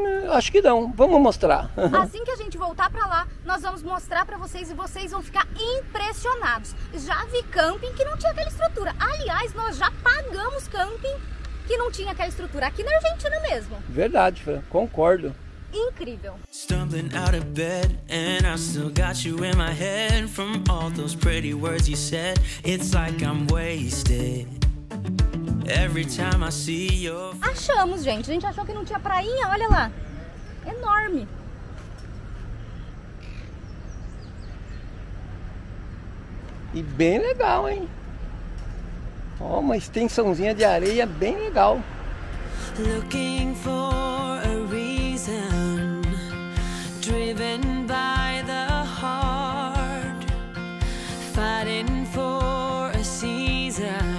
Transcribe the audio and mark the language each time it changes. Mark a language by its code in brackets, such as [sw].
[pt] Acho que não. Vamos mostrar. Assim que a gente voltar para lá, nós vamos mostrar para vocês e vocês vão ficar impressionados. Já vi camping que não tinha aquela estrutura. Aliás, nós já pagamos camping que não tinha aquela estrutura aqui na Argentina mesmo. Verdade, Fran. Concordo. Incrível. [en] Stumbling out of bed and I still got you in my head from all those pretty words you said. It's like I'm wasted. Every time I see your... [pt] Achamos, gente. A gente achou que não tinha prainha. Olha lá. Enorme. E bem legal, hein? Ó, uma extensãozinha de areia bem legal. [en] Looking for a reason, driven by the heart, fighting for a season.